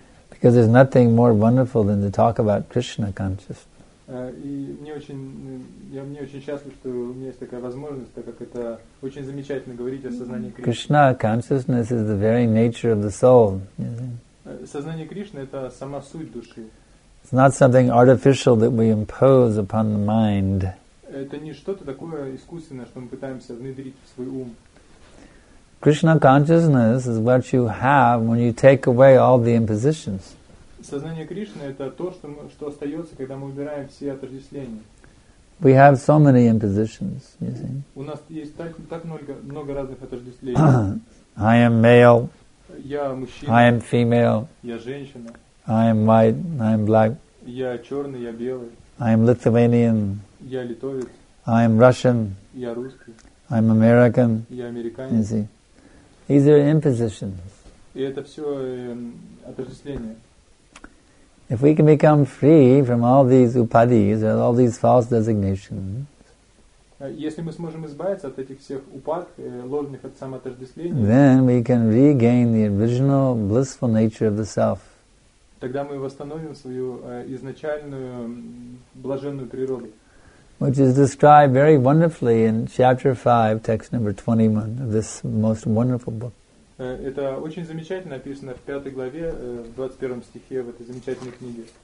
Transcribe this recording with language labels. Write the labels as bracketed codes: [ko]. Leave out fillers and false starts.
[en] Because there's nothing more wonderful than to talk about Krishna consciousness. [ru] И мне очень счастлив, что у меня есть такая возможность, так как это очень замечательно говорить о сознании Кришны. [en] Krishna consciousness is the very nature of the soul. [ru] Сознание Кришны — это сама суть души. [en] It's not something artificial that we impose upon the mind. [ru] Это не что-то такое искусственное, что мы пытаемся внедрить в свой ум. [en] Krishna consciousness is what you have when you take away all the impositions. [ru] Сознание Кришны — это то, что остается, когда мы убираем все отождествления. [en] We have so many impositions, you see. [ru] У нас есть так много разных отождествлений. [en] I am male. [ru] Я мужчина. [en] I am female. [ru] Я женщина. [en] I am white. I am black. [ru] Я черный, я белый. [en] I am Lithuanian. [ru] Я литовец. [en] I am Russian. [ru] Я русский. [en] I am American. [ru] Я американец. [en] You see. These are impositions. [ru] И это все отождествления. [en] If we can become free from all these upadis and all these false designations, [ru] если мы сможем избавиться от этих всех упад, ложных от самоотождествления, [en] then we can regain the original blissful nature of the self. [ru] Тогда мы восстановим свою изначальную блаженную природу. [en] Which is described very wonderfully in chapter 5, text number 21 of this most wonderful book. [ru] Это очень замечательно описано в 5 главе, в 21 стихе в этой замечательной книге.